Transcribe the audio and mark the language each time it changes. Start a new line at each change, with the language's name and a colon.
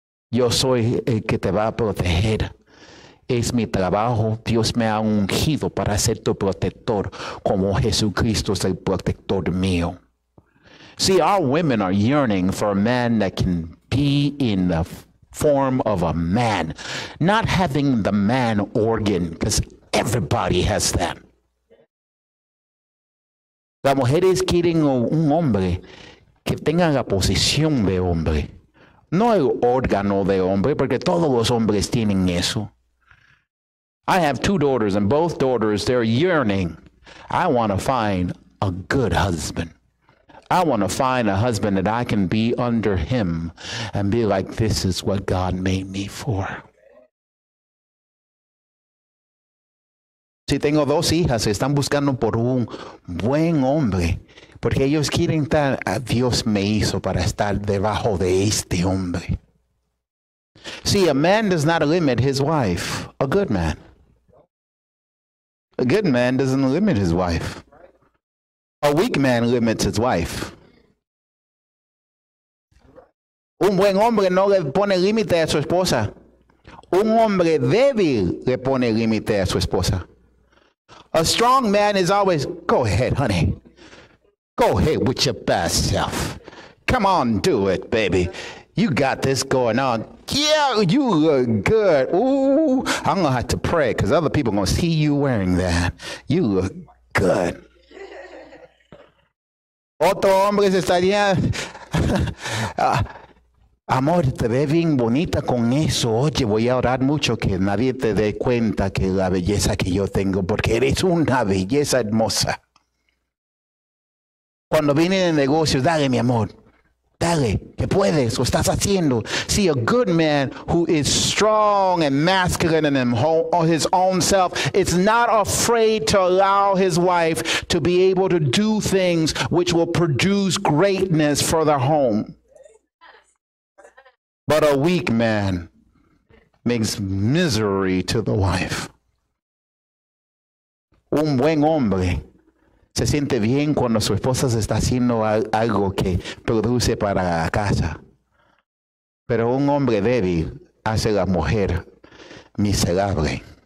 Spanish: Yo soy el que te va a proteger. Es mi trabajo. Dios me ha ungido para ser tu protector, como Jesucristo es el protector mío.
English: See, our women are yearning for a man that can be in the form of a man, not having the man organ, because everybody has that.
Spanish: Las mujeres quieren un hombre que tenga la posición de hombre, no el órgano de hombre, porque todos los hombres tienen eso.
English: I have two daughters, and both daughters, they're yearning. I want to find a good husband. I want to find a husband that I can be under him and be like, this is what God made me for.
Spanish: Si tengo dos hijas, están buscando por un buen hombre, porque ellos quieren estar, Dios me hizo para estar debajo de este hombre.
English: See, a man does not limit his wife, a good man. A good man doesn't limit his wife. A weak man limits his wife.
Spanish: Un buen hombre no le pone límite a su esposa. Un hombre débil le pone límite a su esposa.
English: A strong man is always, go ahead, honey. Go ahead with your best self. Come on, do it, baby. You got this going on. Yeah, you look good. Ooh, I'm going to have to pray because other people are going to see you wearing that. You look good.
Spanish: Otro hombre se estaría, amor, te ve bien bonita con eso. Oye, voy a orar mucho que nadie te dé cuenta que la belleza que yo tengo, porque eres una belleza hermosa. Cuando vienen de negocios, dale, mi amor. Dale, que puedes, o estás haciendo.
English: See, a good man who is strong and masculine in him, on his own self, is not afraid to allow his wife to be able to do things which will produce greatness for the home. But a weak man makes misery to the wife.
Spanish: Un buen hombre se siente bien cuando su esposa se está haciendo algo que produce para la casa. Pero un hombre débil hace a la mujer miserable.